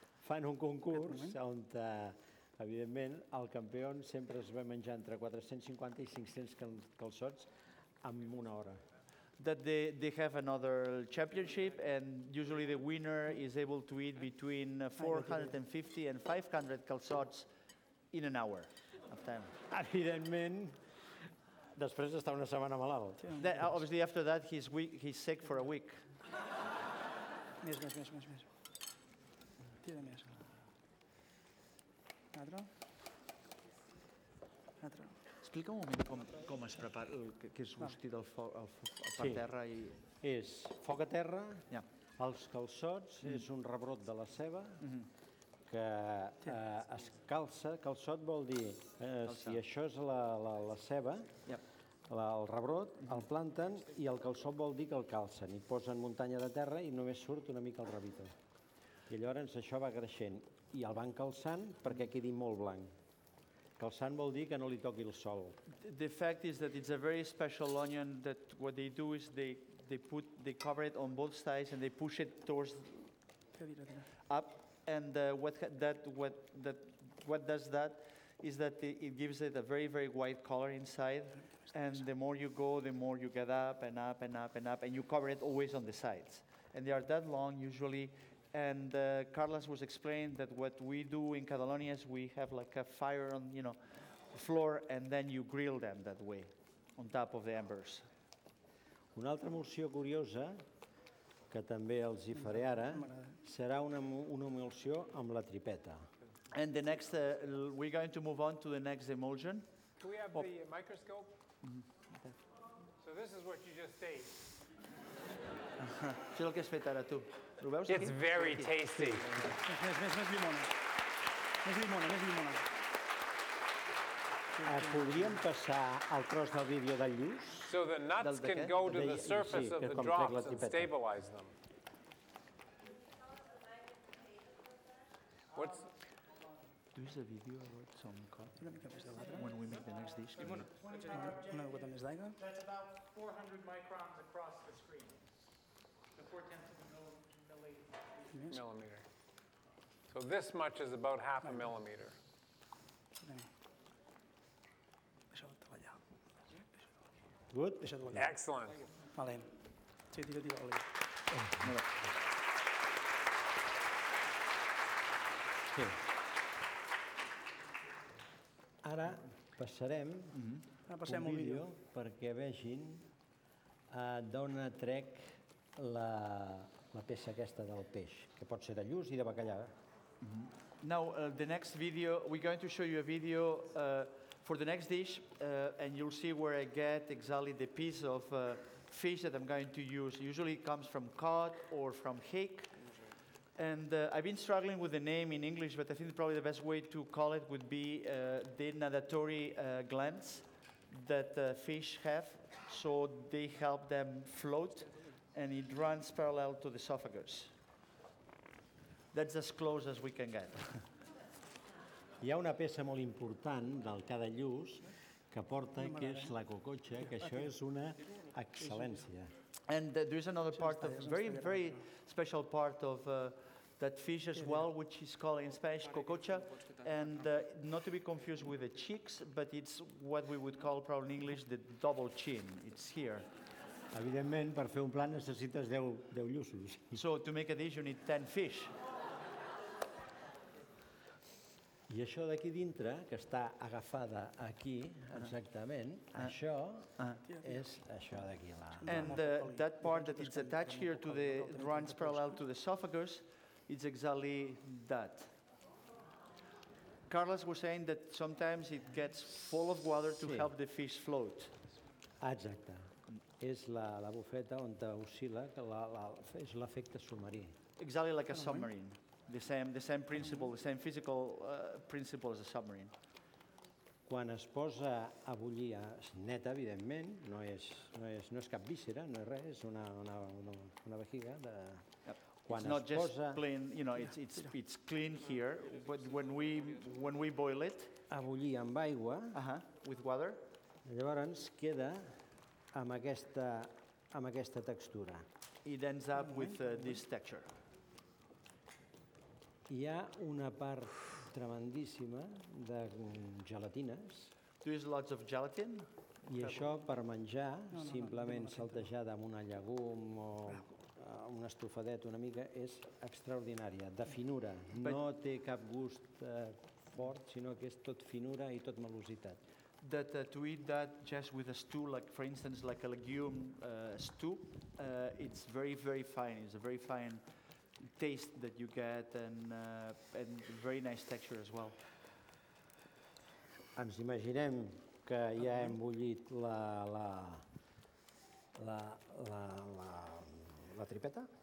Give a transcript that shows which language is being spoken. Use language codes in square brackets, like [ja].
[ca] Fan un concurs on, evidentment, el campió sempre es va menjar entre 450 i 500 calçots en una hora. [en] That they have another championship, and usually the winner is able to eat between 450 and 500 calçots in an hour of time. [ca] Evidentment, després d'estar una setmana malalt. [en] That, obviously, after that, he's sick for a week. [ca] Més, més, més, més. Tira més. Altre. Altre. Explica un moment com es prepara, que és gustí del foc, per terra i... És foc a terra, els calçots, és un rebrot de la ceba, que es calça, calçot vol dir, si això és la ceba, el rebrot, el planten, i el calçot vol dir que el calcen, i posen muntanya de terra i només surt una mica el rabito. I llavors això va creixent, i el van calçant perquè quedi molt blanc. Calçant vol dir que no li toqui el sol. [en] The fact is that it's a very special onion, that what they do is they cover it on both sides and they push it towards up, and what does that is that it gives it a very, very white color inside, and the more you go, the more you get up and up and up and up, and you cover it always on the sides. And they are that long usually. And Carlos was explained that what we do in Catalonia is we have like a fire on, you know, floor, and then you grill them that way, on top of the embers. [ca] Una altra emulsió curiosa, que també els hi faré ara, serà una emulsió amb la tripeta. [en] And the next, we're going to move on to the next emulsion. Can we have the microscope? So this is what you just ate. [ca] Això és el que has fet ara, tu. Ho veus? [en] It's very tasty. [ca] Més llimona. Més llimona, més llimona. Podríem passar el tros del vídeo del lluç? [en] So the nuts can go to the surface of the drops and stabilize them. What's... [ca] Tu és el vídeo a l'hora som un cop? Una mica més de l'altre. [en] When we make the next dish. [ca] Una gota més d'aigua. [en] That's about 400 microns across the screen. The 4/10 of a millimeter. So this much is about half a millimeter. [ca] Deixa-ho treballar. [en] Good? [ca] Deixa-ho treballar. [en] Excellent. [ca] Valent. Sí, tira l'oli. Molt bé. Ara passarem un vídeo perquè vegin d'on trec la peça aquesta del peix, que pot ser de lluç i de bacallà. [en] Now, the next video, we're going to show you a video for the next dish, and you'll see where I get exactly the piece of fish that I'm going to use. Usually it comes from cod or from hake. And I've been struggling with the name in English, but I think probably the best way to call it would be the natatory glands that fish have, so they help them float, and it runs parallel to the esophagus. That's as close as we can get. [ca] Hi ha una peça molt important del cada lluç que porta, que és la cococha, que això és una excel·lència. [en] And there is another part of very, very special part of that fish as well, which is called in Spanish cococha, and not to be confused with the cheeks, but it's what we would call probably in English the double chin. It's here. [ca] Evidentment, per fer un plat necessites 10 lluços. [en] So to make a dish you need 10 fish. [ca] I això d'aquí dintre, que està agafada aquí, exactament, això és això d'aquí. [en] And that part that is attached here to the runs parallel to the esophagus, it's exactly that. Carlos was saying that sometimes it gets full of water to help the fish float. [ca] Exacte. És la bufeta on oscil·la, que és l'efecte submarí. [en] Exactly like a submarine. The same principle, the same physical principle as a submarine. [ca] Quan es posa a bullir, és neta, evidentment, no és cap víscera, no és res, és una vejiga de... [en] It's not just clean, you know, it's clean here, but when we boil it, [ca] a bullir amb aigua, [en] with water, [ca] llavors queda amb aquesta textura. [en] It ends up with this texture. [ca] Hi ha una part tremendíssima de gelatines. [en] There is lots of gelatin. [ca] I això per menjar, simplement saltejada amb una llegum o una estofadeta una mica, és extraordinària, de finura. No té cap gust fort, sinó que és tot finura i tot melositat. [en] That to eat that just with a stew, like for instance, like a legume stew, it's very, very fine. It's a very fine taste that you get and very nice texture as well. [ca] Ens imaginem que ja hem bullit la tripeta.